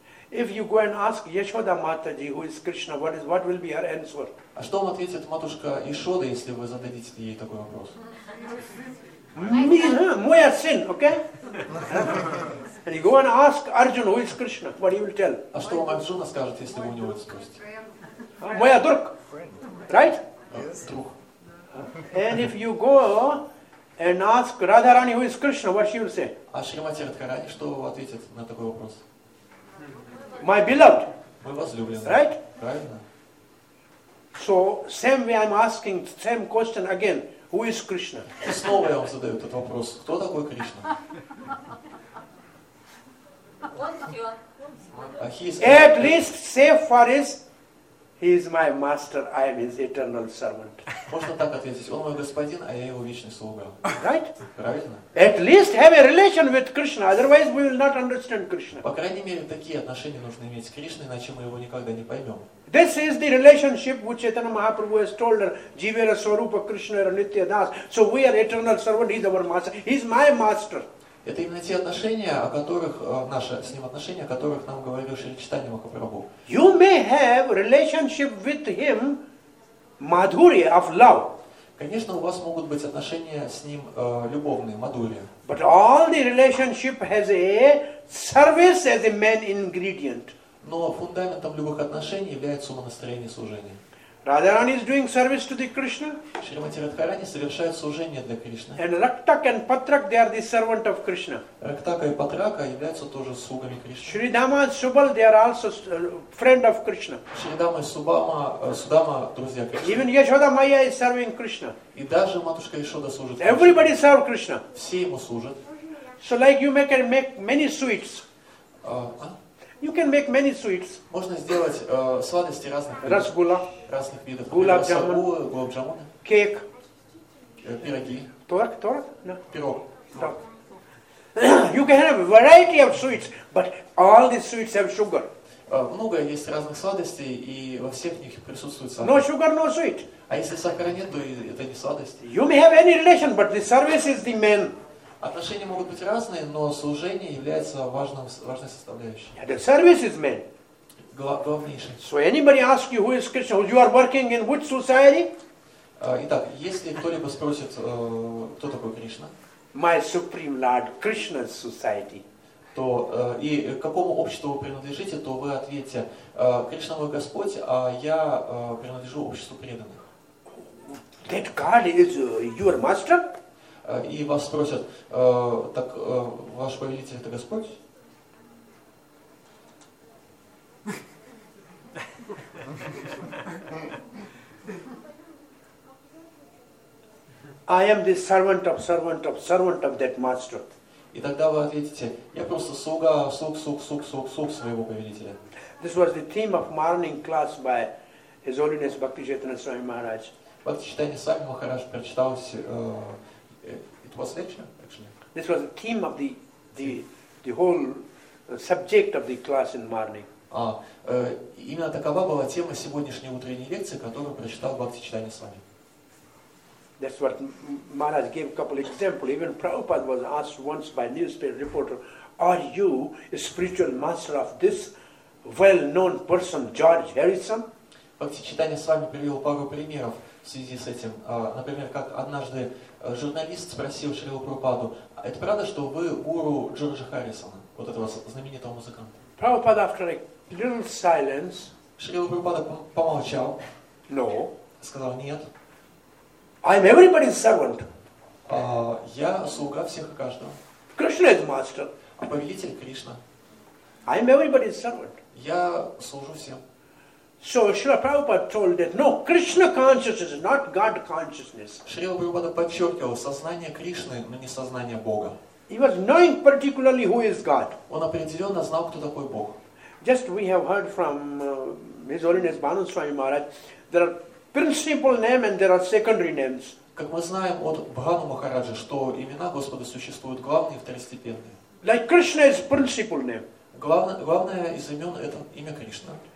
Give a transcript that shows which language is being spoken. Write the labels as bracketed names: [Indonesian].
[English] If you go and ask Yashoda Mataji, who is Krishna, what will be her answer? [Russian] А что вам ответит матушка Ишода, если вы зададите ей такой вопрос? Мой сын, [English] okay? And you go and ask Arjuna, who is Krishna, what he will tell? [Russian] А что вам Арджуна скажет, если вы у него это спросите? Мой друг, [English] right? Yes. And if you go and ask Radharani who is Krishna, what she will say? [Russian] А Шримати Радхарани что ответит на такой вопрос? [English] My beloved. [Russian] Мой возлюбленный. [English] Right? [Russian] Правильно. [English] So same way I'm asking same question again. Who is Krishna? [Russian] И снова я вам задаю этот вопрос. Кто такой Кришна? [English] At least say for his He is my master, I am his eternal servant. [Russian] Можно так ответить. Он мой господин, а я его вечный слуга. [English] Right? [Russian] Правильно? [English] At least have a relation with Krishna, otherwise we will not understand Krishna. [Russian] По крайней мере, такие отношения нужно иметь с Кришной, иначе мы его никогда не поймем. [English] This is the relationship which Chaitanya Mahaprabhu has told her, Jivera Swarupa Krishna Ranitya Das. So we are eternal servant, he is our master. He is my master. [Russian] Это именно те отношения, о которых наши с ним отношения, о которых нам говорил Шри Чайтанья Махапрабху. [English] You may have relationship with him, madhurya of love. [Russian] Конечно, у вас могут быть отношения с ним любовные, мадурья. [English] But all the relationship has a service as a main ingredient. [Russian] Но фундаментом любых отношений является умонастроение служения. [English] Radharani is doing service to the Krishna. [Russian] Шримати Радхарани совершает служение для Кришны. [English] And Raktak and Patrak, they are the servant of Krishna. [Russian] Рактака и Патрака являются тоже слугами Кришны. [English] Shri Dama and Subal, they are also friend of Krishna. [Russian] Shri Dama и Судама друзья Кришны. [English] Even Yashoda Maya is serving Krishna. [Russian] И даже матушка Ишода служит [English] Кришне. Everybody serve Krishna. [Russian] Все ему служат. [English] So like you make many sweets. You can make many sweets. [Russian] Можно сделать сладости разных видов. Расгула. Разных видов. Гулаб джамун. Гулаб джамун. Кейк. Пироги. Торг, торг. Пирог. Торг. [English] You can have a variety of sweets, but all these sweets have sugar. [Russian] Много есть разных сладостей, и во всех них присутствует сахар. [English] No sugar, no sweet. [Russian] А если сахара нет, то это не сладость. [English] You may have any relation, but the service is the main. [Russian] Отношения могут быть разные, но служение является важной составляющей. [English] The service is main. [Russian] Главнейшим. [English] So anybody ask you who is Krishna, you are working in which society? [Russian] Итак, если кто-либо спросит, кто такой Кришна? [English] My supreme Lord Krishna's society. [Russian] То и к какому обществу вы принадлежите, то вы ответите: Кришна мой Господь, а я принадлежу обществу преданных. [English] That God is your master? [Russian] И вас спросят, так ваш повелитель это Господь? [English] I am the servant of that master. [Russian] И тогда вы ответите, я просто слуга, слуг своего повелителя. [English] This was the theme of morning class by His Holiness Bhakti Chaitanya Swami Maharaj. [Russian] Бхакти Чайтанья Свами Махарадж прочитал. [English] It was lecture, actually. This was the theme of the whole subject of the class in morning. [Russian] Именно такова была тема сегодняшней утренней лекции, которую прочитал Бхакти Чайтанья Свами. [English] That's what Maharaj gave a couple examples. Even Prabhupada was asked once by a newspaper reporter, "Are you a spiritual master of this well-known person, George Harrison?" [Russian] Бхакти Чайтанья Свами привел пару примеров. в связи с этим. Например, как однажды журналист спросил Шрилу Прабхупаду, это правда, что вы гуру Джорджа Харрисона, вот этого знаменитого музыканта? [English] Prabhupada, after a little silence, [Russian] Шрила Прабхупада помолчал. [English] No. [Russian] Сказал, нет. [English] I'm everybody's servant. [Russian] Я слуга всех и каждого. [English] Krishna is master. [Russian] А повелитель Кришна. [English] I'm everybody's servant. [Russian] Я служу всем. [English] So Srila Prabhupada told that no, Krishna consciousness is not God consciousness. [Russian] Шрила Прабхупада подчеркивал, сознание Кришны, но не сознание Бога. [English] He was knowing particularly who is God. [Russian] Он определенно знал, кто такой Бог. [English] Just we have heard from His Holiness Bhanu Swami Maharaj, there are principal names and there are secondary names. [Russian] Как мы знаем от Бхану Махараджа, что имена Господа существуют главные и второстепенные. [English] Like Krishna is principal name. [Russian] Главное из имен это имя Кришна.